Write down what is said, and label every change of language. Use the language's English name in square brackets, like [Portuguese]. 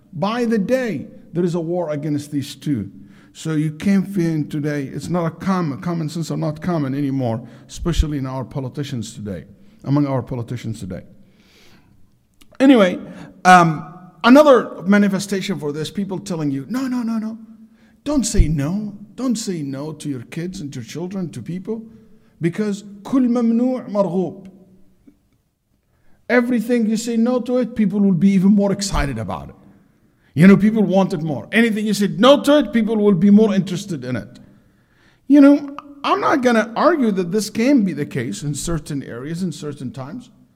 [English] By the day, there is a war against these two. So you can't feel today, it's not common sense are not common anymore, especially in our politicians today, among our politicians today. Anyway, another manifestation for this, people telling you, no. Don't say no. Don't say no to your kids and to your children, to people. Because [Arabic] كل ممنوع مرغوب. [English] Everything you say no to it, people will be even more excited about it. You know, people want it more. Anything you say no to it, people will be more interested in it. You know, I'm not going to argue that this can be the case in certain areas, in certain times.